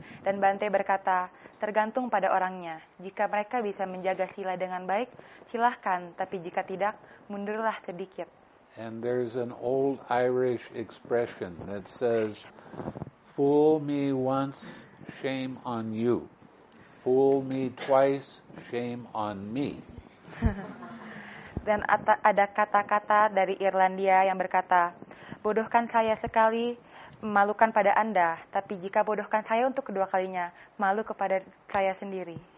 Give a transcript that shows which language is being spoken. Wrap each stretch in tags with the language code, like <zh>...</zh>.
<id>Dan Bante berkata, tergantung pada orangnya. Jika mereka bisa menjaga sila dengan baik, silahkan. Tapi jika tidak, mundurlah sedikit.</id> <en>And there's an old Irish expression that says, fool me once, shame on you. Fool me twice, shame on me.</en> <id>Dan ada kata-kata dari Irlandia yang berkata, bodohkan saya sekali, malukan pada Anda, tapi jika bodohkan saya untuk kedua kalinya, malu kepada saya sendiri.</id>